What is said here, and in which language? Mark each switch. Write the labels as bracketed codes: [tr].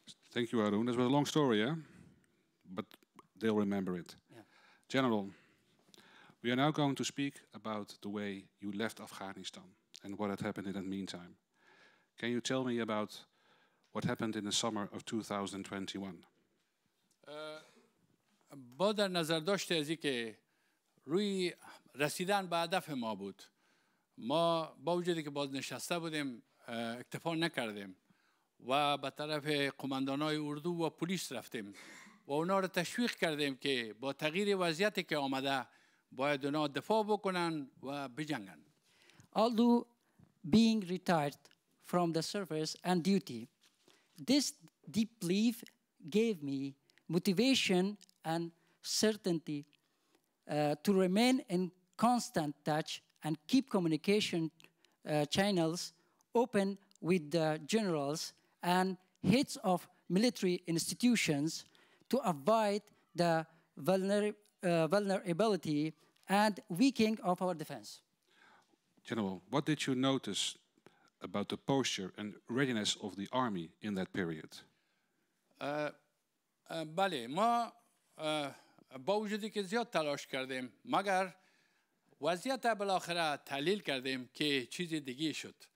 [en] Thank you, Arun. That was a long story, yeah? But they'll remember it. Yeah. General, we are now going to speak about the way you left Afghanistan and what had happened in the meantime. Can you tell me about what happened in the summer of 2021? [fa] با در نظر داشته از اینکه روی رسیدن به هدف ما بود ما با وجودی که بازنشسته بودیم اکتفا نکردیم و به طرف قماندانای اردو و پلیس رفتیم و اونا رو تشویق کردیم که با تغییر وضعیتی که آمده باید اونا دفاع بکنن و بجنگن. [en] Although being retired from the service and duty, this deep leave gave me motivation and certainty to remain in constant touch and keep communication channels open with the generals and heads of military institutions to avoid the vulnerability and weakening of our defense. General, what did you notice about the posture and readiness of the army in that period? [fa] بله ما با وجودی که زیاد تلاش کردیم مگر وضعیت بالاخره تحلیل کردیم که چیزی دیگه شد